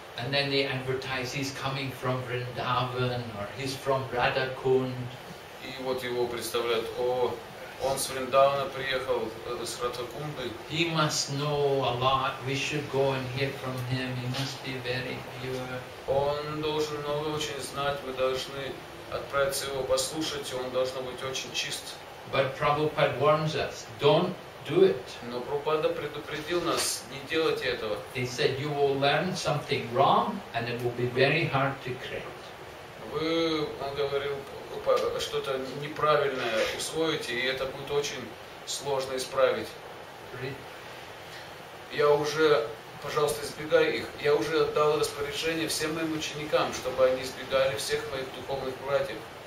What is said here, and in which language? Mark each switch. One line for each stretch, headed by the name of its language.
English: And then they advertise he's coming from Vrindavan or he's from Radhakund.
Russian: И вот его представляют, о, он с Вриндавана приехал, с Радхакунды.
English: He must know a lot, we should go and hear from him, he must be very pure.
Russian: Он должен много очень знать, мы должны отправиться его послушать, и он должен быть очень чист.
English: But Prabhupada warns us, don't do it.
Russian: Но Прабхупада предупредил нас не делать этого.
English: He said you will learn something wrong and it will be very hard to create.
Russian: Он говорил, что-то неправильное усвоите, и это будет очень сложно исправить. Я уже, пожалуйста, избегай их. Я уже отдал распоряжение всем моим ученикам, чтобы они избегали всех моих духовных братьев.